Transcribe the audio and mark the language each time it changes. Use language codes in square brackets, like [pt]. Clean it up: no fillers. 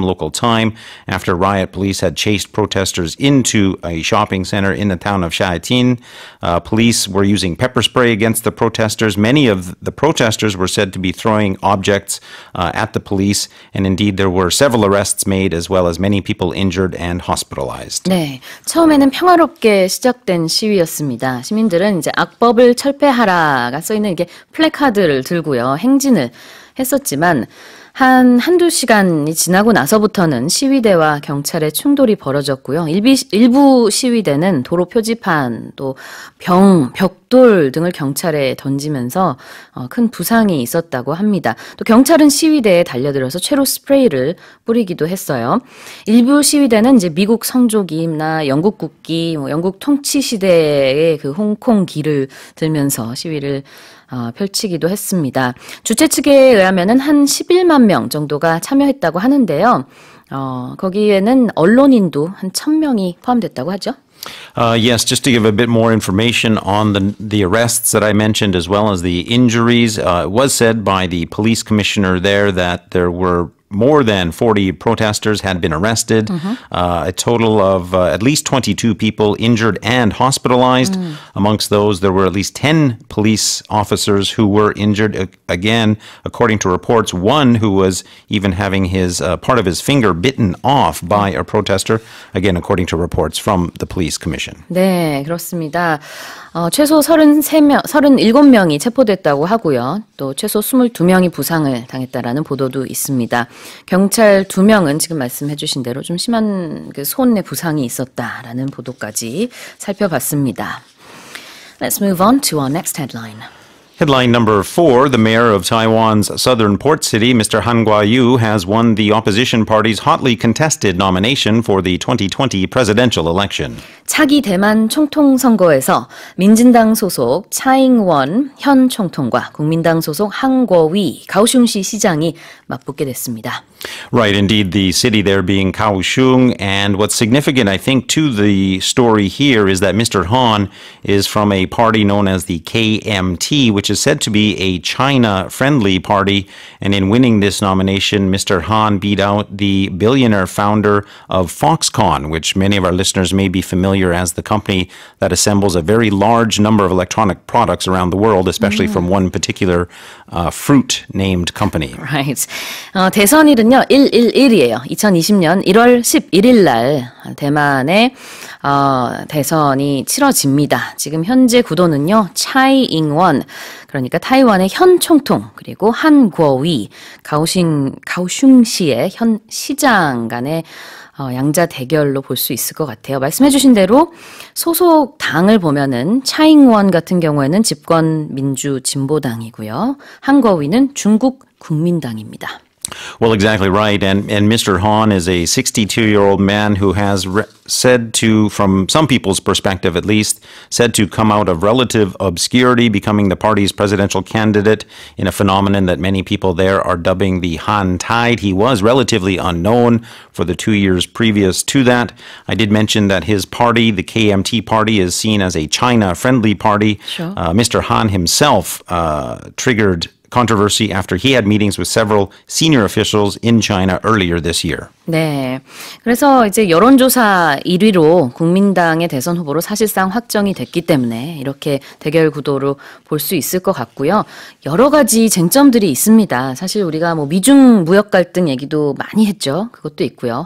[en] local time after riot police had chased protesters into a shopping center in the town of Sha Tin. Police were using pepper spray against the protesters. Many of the protesters were said to be throwing objects at the police, and indeed there were several arrests made as well as many people injured and hospitalized. [ko] 네, 처음에는 평화롭게 시작된 시위였습니다. 시민들은 이제 악법을 철폐하라가 써있는 이게 플래카드 들고요 행진을 했었지만 한두 시간이 지나고 나서부터는 시위대와 경찰의 충돌이 벌어졌고요. 일부 시위대는 도로 표지판, 또 벽돌 등을 경찰에 던지면서 큰 부상이 있었다고 합니다. 또 경찰은 시위대에 달려들어서 최루 스프레이를 뿌리기도 했어요. 일부 시위대는 이제 미국 성조기나 영국 국기, 뭐 영국 통치 시대의 그 홍콩 기를 들면서 시위를 펼치기도 했습니다. 주최 측에 의하면은 한 11만 명 정도가 참여했다고 하는데요. 거기에는 언론인도 한 1,000명이 포함됐다고 하죠. [en] Yes, just to give a bit more information on the arrests that I mentioned as well as the injuries, it was said by the police commissioner there that there were more than 40 protesters had been arrested, a total of at least 22 people injured and hospitalized. Amongst those, there were at least 10 police officers who were injured. Again, according to reports, one who was even having his part of his finger bitten off by a protester, again, according to reports from the police commission. [ko] 네, 그렇습니다. 최소 37명이 체포됐다고 하고요. 또 최소 22명이 부상을 당했다라는 보도도 있습니다. 경찰 2명은 지금 말씀해 주신 대로 좀 심한 그 손에 부상이 있었다라는 보도까지 살펴봤습니다. [en] Let's move on to our next headline. Headline number four, the mayor of Taiwan's southern port city, Mr. Han Kuo-yu, has won the opposition party's hotly contested nomination for the 2020 presidential election. [ko] 차기 대만 총통 선거에서 민진당 소속 차잉원 현 총통과 국민당 소속 한 궈위 가오슝시 시장이 맞붙게 됐습니다. [en] Right, indeed, the city there being Kaohsiung, and what's significant, I think, to the story here is that Mr. Han is from a party known as the KMT, which is said to be a China-friendly party, and in winning this nomination, Mr. Han beat out the billionaire founder of Foxconn, which many of our listeners may be familiar as the company that assembles a very large number of electronic products around the world, especially from one particular fruit-named company. Right. [ko] 대선이 111이에요. 2020년 1월 11일 날 대만의 대선이 치러집니다. 지금 현재 구도는요. 차이잉원 그러니까 타이완의 현 총통 그리고 한 궈위 가오슝시의 현 시장 간의 양자 대결로 볼 수 있을 것 같아요. 말씀해 주신 대로 소속 당을 보면은 차잉원 같은 경우에는 집권 민주 진보당이고요. 한 궈위는 중국 국민당입니다. [en] Well, exactly right. And Mr. Han is a 62-year-old man who has said to, from some people's perspective at least, said to come out of relative obscurity, becoming the party's presidential candidate in a phenomenon that many people there are dubbing the Han Tide. He was relatively unknown for the 2 years previous to that. I did mention that his party, the KMT party, is seen as a China-friendly party. Sure. Mr. Han himself triggered controversy after he had meetings with several senior officials in China earlier this year. [ko] 네. 그래서 이제 여론조사 1위로 국민당의 대선 후보로 사실상 확정이 됐기 때문에 이렇게 대결 구도로 볼 수 있을 것 같고요. 여러 가지 쟁점들이 있습니다. 사실 우리가 뭐 미중 무역 갈등 얘기도 많이 했죠. 그것도 있고요.